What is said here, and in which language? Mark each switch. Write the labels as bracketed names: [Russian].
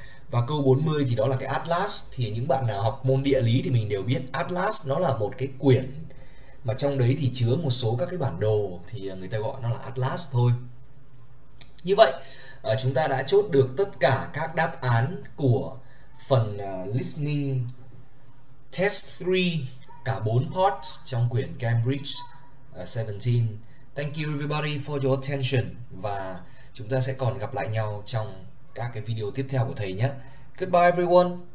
[Vietnamese] Và câu 40 thì đó là cái Atlas. Thì những bạn nào học môn địa lý thì mình đều biết Atlas nó là một cái quyển mà trong đấy thì chứa một số các cái bản đồ, thì người ta gọi nó là Atlas thôi. Như vậy chúng ta đã chốt được tất cả các đáp án của phần Listening Test 3, cả 4 parts trong quyển Cambridge 17. [English] Thank you everybody for your attention. [Vietnamese] Và chúng ta sẽ còn gặp lại nhau trong các cái video tiếp theo của thầy nhé. [English] Goodbye everyone.